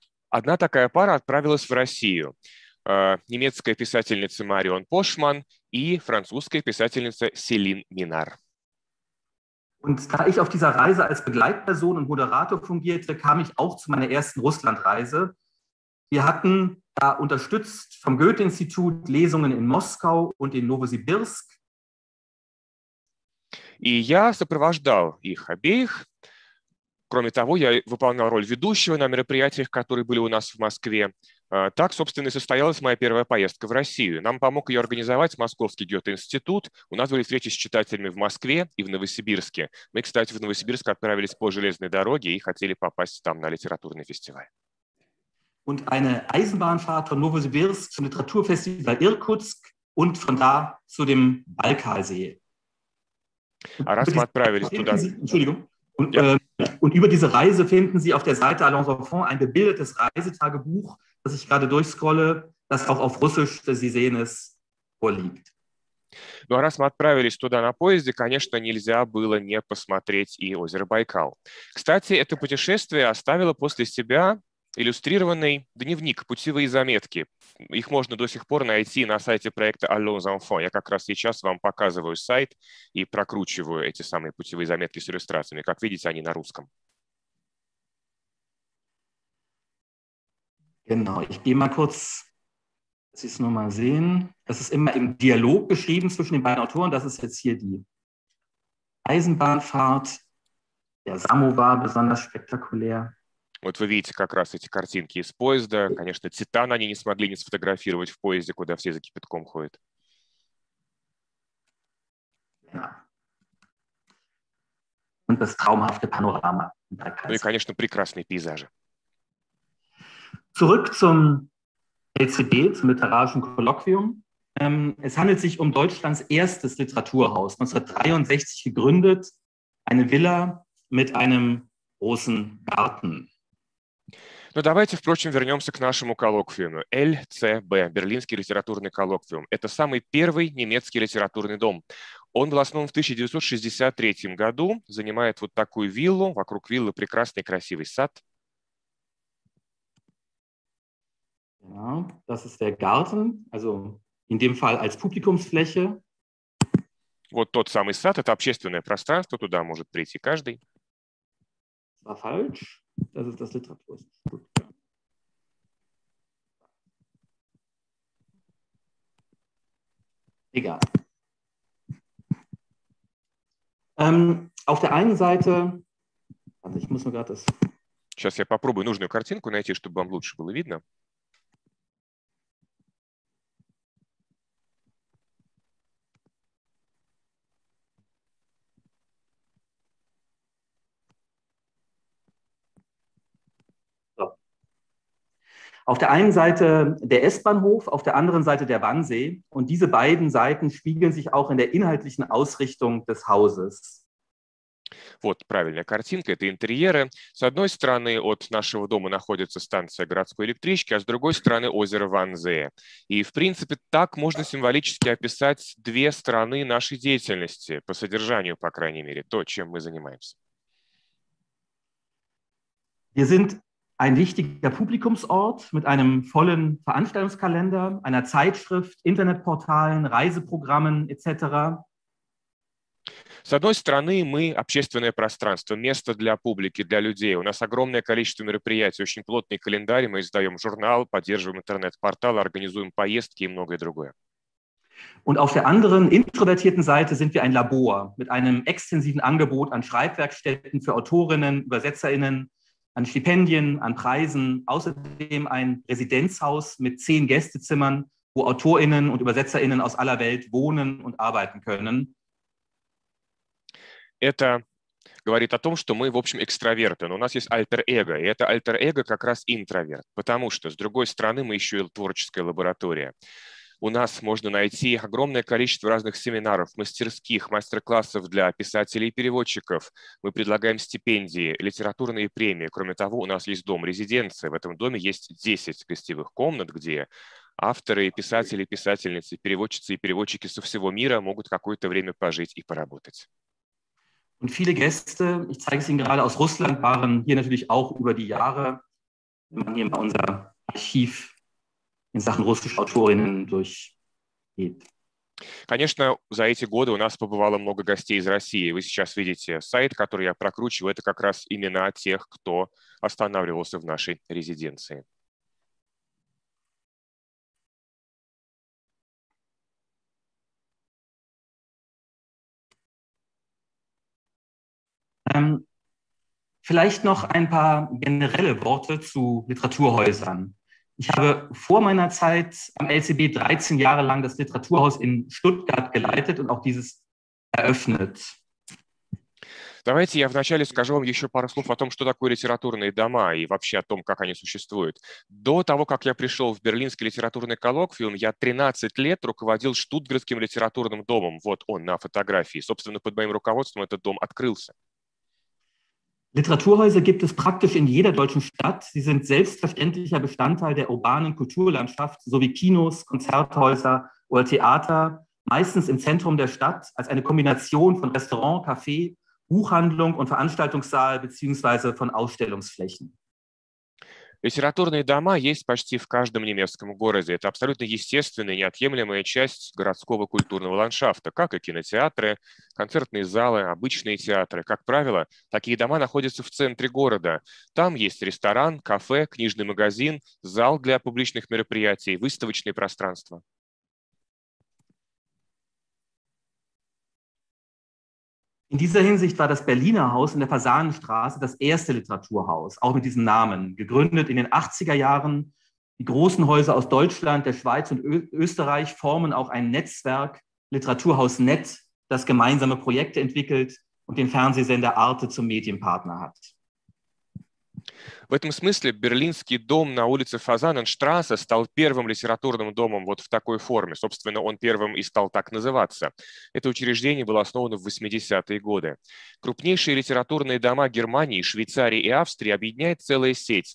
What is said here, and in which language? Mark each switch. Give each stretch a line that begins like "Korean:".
Russian: Одна такая пара отправилась в Россию. Немецкая писательница Марион Пошман и французская писательница Селин Минар.
German: Und da ich auf dieser Reise als Begleitperson und Moderator fungierte, kam ich auch zu meiner ersten Russlandreise. Wir hatten da unterstützt vom Goethe-Institut Lesungen in Moskau und in Novosibirsk.
Russian: И я сопровождал их обеих Кроме того, я выполнял роль ведущего на мероприятиях, которые были у нас в Москве. Так, собственно, и состоялась моя первая поездка в Россию. Нам помог ее организовать Московский Гёте-институт. У нас были встречи с читателями в Москве и в Новосибирске. Мы, кстати, в Новосибирск отправились по железной дороге и хотели попасть там на литературный фестиваль.
German: Und eine Eisenbahnfahrt von Novosibirsk zum Literaturfestival Irkutsk und von da zu dem Baikalsee. Und über diese Reise finden Sie auf der Seite Alençon ein bebildertes Reisetagebuch, das ich gerade durchscrolle, das auch auf Russisch, Sie sehen es, vorliegt.
Russian: Ну а раз мы отправились туда на поезде, конечно, нельзя было не посмотреть и озеро Байкал. Кстати, это путешествие оставило после себя иллюстрированный дневник, путевые заметки. Их можно до сих пор найти на сайте проекта Alençon. Я как раз сейчас вам показываю сайт и прокручиваю эти самые путевые заметки с иллюстрациями. Как видите, они на русском.
German: Genau, ich gehe mal kurz, dass Sie es nur mal sehen. Das ist immer im Dialog geschrieben zwischen den beiden Autoren. Das ist jetzt hier die Eisenbahnfahrt. Der Samovar, besonders spektakulär.
Russian: Вот вы видите как раз эти картинки из поезда. Конечно, Титан они не смогли не сфотографировать в поезде, куда все за кипятком ходят.
German: Und das traumhafte Panorama.
Russian: Ну и, конечно, прекрасные пейзажи.
German: Zurück zum LCB, zum Literarischen Kolloquium. Es handelt sich um Deutschlands erstes Literaturhaus, 1963 gegründet, eine Villa mit einem großen Garten.
Russian: Ну, давайте, впрочем, вернемся к нашему коллоквиуму. LCB, Берлинский литературный коллоквиум. Это самый первый немецкий литературный дом. Он был основан в 1963 году, занимает вот такую виллу. Вокруг виллы прекрасный красивый сад.
German: Ja, das ist der Garten, also in dem Fall als Publikumsfläche.
Russian: Вот тот самый сад, это общественное пространство, туда может прийти каждый.
German: Das war falsch. Das ist das Literatur. Egal. Auf der einen Seite, also ich muss nur gerade das.
Russian: Сейчас я попробую нужную картинку найти, чтобы вам лучше было видно.
German: Auf der einen Seite der S-Bahnhof, auf der anderen Seite der Wannsee. Und diese beiden Seiten spiegeln sich auch in der inhaltlichen Ausrichtung des Hauses.
Russian: Вот правильная картинка, это интерьеры. С одной стороны от нашего дома находится станция городской электрички, а с другой стороны озеро Ванзее. И, в принципе, так можно символически описать две стороны нашей деятельности, по содержанию, по крайней мере, то, чем мы занимаемся.
German: Wir sind ein wichtiger Publikumsort mit einem vollen Veranstaltungskalender, einer Zeitschrift, Internetportalen, Reiseprogrammen etc.
Russian: С одной стороны, мы общественное пространство, место для публики, для людей. У нас огромное количество мероприятий, очень плотный календарь. Мы издаем журнал, поддерживаем интернет-портал, организуем поездки и многое другое.
German: Und auf der anderen introvertierten Seite sind wir ein Labor mit einem extensiven Angebot an Schreibwerkstätten für Autorinnen, ÜbersetzerInnen, an Stipendien, an Preisen, außerdem ein Residenzhaus mit 10 Gästezimmern, wo AutorInnen und ÜbersetzerInnen aus aller Welt wohnen und arbeiten können.
Russian: Это говорит о том, что мы, в общем, экстраверты, но у нас есть альтер-эго, и это альтер-эго как раз интроверт, потому что, с другой стороны, мы еще и творческая лаборатория. У нас можно найти огромное количество разных семинаров, мастерских, мастер-классов для писателей и переводчиков. Мы предлагаем стипендии, литературные премии. Кроме того, у нас есть дом, резиденция. В этом доме есть 10 гостевых комнат, где авторы, писатели, писательницы, переводчицы и переводчики со всего мира могут какое-то время пожить и поработать.
German: Und viele Gäste, ich zeige es Ihnen gerade aus Russland, waren hier natürlich auch über die Jahre, wenn man hier mal unser Archiv in Sachen russischer Autorinnen durchgeht.
Russian: Конечно, за эти годы у нас побывало много гостей из России. Вы сейчас видите сайт, который я прокручиваю. Это как раз имена тех, кто останавливался в нашей резиденции. Um,
German: Vielleicht noch ein paar generelle Worte zu Literaturhäusern. Ich habe vor meiner Zeit am LCB 13 Jahre lang das Literaturhaus in Stuttgart geleitet und auch dieses eröffnet.
Russian: Давайте я вначале скажу вам еще пару слов о том, что такое литературные дома и вообще о том, как они существуют. До того, как я пришел в Берлинский литературный коллоквиум, я 13 лет руководил Штутгартским литературным домом. Вот он на фотографии. Собственно, под моим руководством этот дом открылся.
German: Literaturhäuser gibt es praktisch in jeder deutschen Stadt. Sie sind selbstverständlicher Bestandteil der urbanen Kulturlandschaft, sowie Kinos, Konzerthäuser oder Theater, meistens im Zentrum der Stadt, als eine Kombination von Restaurant, Café, Buchhandlung und Veranstaltungssaal beziehungsweise von Ausstellungsflächen.
Russian: Литературные дома есть почти в каждом немецком городе. Это абсолютно естественная, неотъемлемая часть городского культурного ландшафта, как и кинотеатры, концертные залы, обычные театры. Как правило, такие дома находятся в центре города. Там есть ресторан, кафе, книжный магазин, зал для публичных мероприятий, выставочные пространства.
German: In dieser Hinsicht war das Berliner Haus in der Fasanenstraße das erste Literaturhaus, auch mit diesem Namen, gegründet in den 80er Jahren. Die großen Häuser aus Deutschland, der Schweiz und Österreich formen auch ein Netzwerk, Literaturhaus.net, das gemeinsame Projekte entwickelt und den Fernsehsender Arte zum Medienpartner hat.
Russian: В этом смысле Берлинский дом на улице Фазаненштрассе стал первым литературным домом вот в такой форме. Собственно, он первым и стал так называться. Это учреждение было основано в 80-е годы. Крупнейшие литературные дома Германии, Швейцарии и Австрии объединяет целая сеть.